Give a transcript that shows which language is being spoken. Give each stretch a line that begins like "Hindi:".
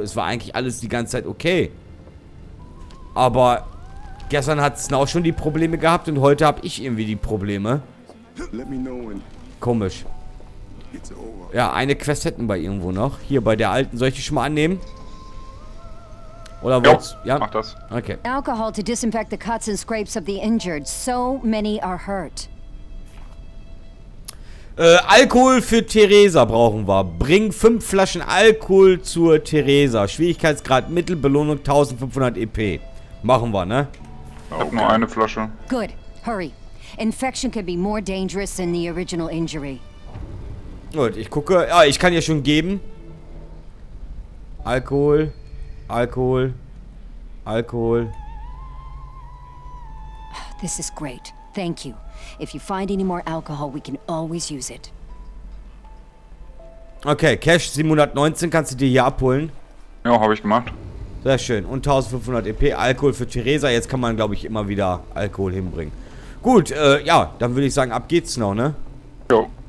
German: Es war eigentlich alles die ganze Zeit okay. Aber gestern hat Snow schon die Probleme gehabt und heute habe ich irgendwie die Probleme.
English: Let me know when.
German: Komisch.
English: It's over.
German: Ja, eine Quest hätten wir irgendwo noch. Hier bei der alten. Soll ich die schon mal annehmen? Oder was? Ja, mach das. Okay.
English: Alcohol to disinfect the cuts and scrapes of the injured. So many are hurt.
German: Alkohol für Theresa brauchen wir. Bring 5 Flaschen Alkohol zur Theresa. Schwierigkeitsgrad Mittel, Belohnung 1500 EP. Machen wir, ne? Auch nur eine Flasche.
English: Good. Hurry. Infection can be more dangerous than the original injury.
German: Gut, ich gucke. Ah, ich kann ja schon geben. Alkohol. Alkohol. Alkohol.
English: This is great. Thank you. If you find any more alcohol, we can always use it.
German: Okay, Cash 719 kannst du dir hier abholen. Ja, habe ich gemacht. Sehr schön. Und 1500 EP Alkohol für Theresa. Jetzt kann man, glaube ich, immer wieder Alkohol hinbringen. Gut, ja, dann würde ich sagen, ab geht's noch, ne? Jo.